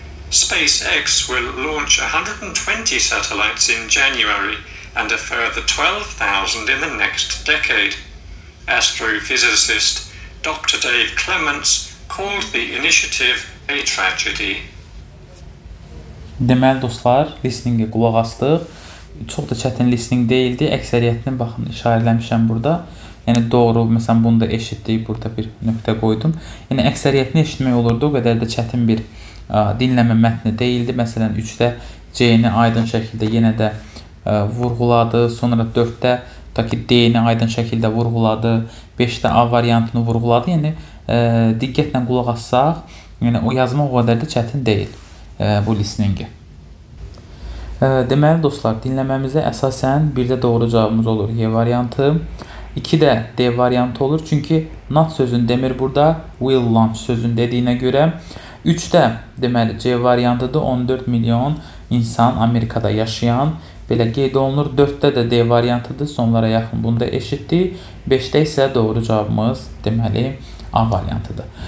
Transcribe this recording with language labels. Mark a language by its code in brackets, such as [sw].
[en] SpaceX will launch 120 satellites in January and a further 12,000 in the next decade. Astrophysicist Dr. Dave Clements called the initiative a tragedy. [az] Deməli dostlar, listening-i qulaq astıq. Çox da çətin listening deyildi. Əksəriyyətini baxın, işarələmişəm burada. Yəni doğru, məsələn, bunu da eşitdik, burada bir nöqtə qoydum. Yəni əksəriyyətini eşitmək olurdu, o qədər də çətin bir dinləmə mətni deyildi. Məsələn, 3-də C-ni aydın şəkildə yenə də vurğuladı. Sonra 4-də taki D-ni aydın şəkildə vurğuladı. 5-də A variantını vurğuladı. Yəni diqqətlə qulaq assaq, yəni o yazmaq o qədər də çətin deyil. Bu listening-i. Deməli dostlar, dinləməmizə əsasən bir də doğru cavabımız olur Y variantı. 2 də D variantı olur. Çünki not sözünü demir burada. Will launch sözünü dediyinə görə. 3 də deməli C variantıdır. 14 milyon insan Amerikada yaşayan. belə qeyd olunur. 4-də də D variantıdır, sonlara yaxın bunda eşitdir. 5-də isə doğru cavabımız, deməli, A variantıdır.